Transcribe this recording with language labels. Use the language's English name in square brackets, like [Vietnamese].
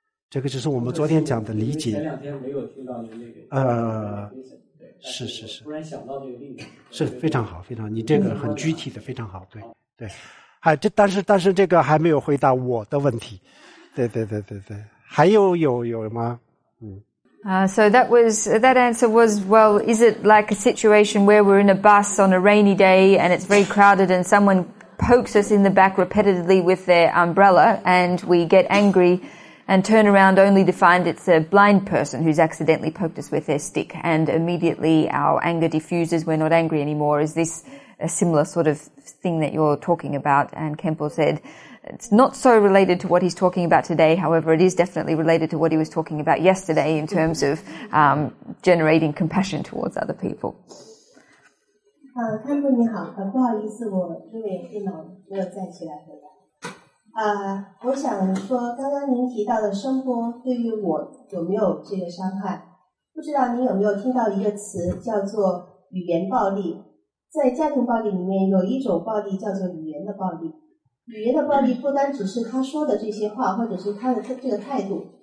[Chinese] 这个就是我们昨天讲的理解。前两天没有听到您那个。是是是。突然想到这个例子。是非常好，非常，你这个很具体的，非常好，对对。还这，但是这个还没有回答我的问题。对对对对对，还有吗？ [English] So that answer was, well, is it like a situation where we're in a bus on a rainy day and it's very crowded and someone pokes us in the back repetitively with their umbrella and we get angry and turn around only to find it's a blind person who's accidentally poked us with their stick and immediately our anger diffuses, we're not angry anymore. Is this a similar sort of thing that you're talking about? And Kempo said, it's not so related to what he's talking about today. However, it is definitely related to what he was talking about yesterday in terms of generating compassion towards other people. [Chinese] 看过你好，很不好意思，我因为电脑没有站起来回来。我想说，刚刚您提到的声波对于我有没有这个伤害？不知道您有没有听到一个词叫做语言暴力？在家庭暴力里面有一种暴力叫做语言的暴力。语言的暴力不单只是他说的这些话，或者是他的这个态度。